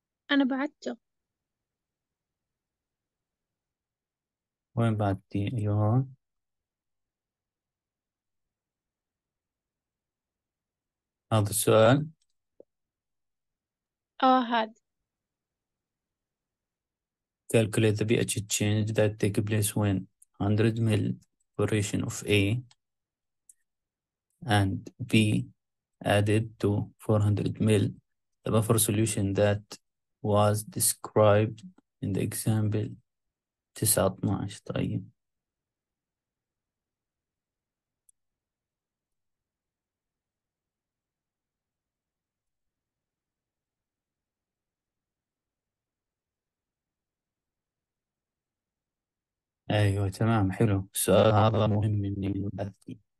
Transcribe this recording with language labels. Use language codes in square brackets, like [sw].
[ar] أنا بعته وين بعد دي؟ ايوه هذا السؤال. اه هذا [en] Calculate the pH change that take place when 100 mil evaporation of A and B added to 400 ml the buffer solution that was described in the example 9-12. [ar] طيب ايوه تمام حلو، السؤال هذا مهم اني ابحث.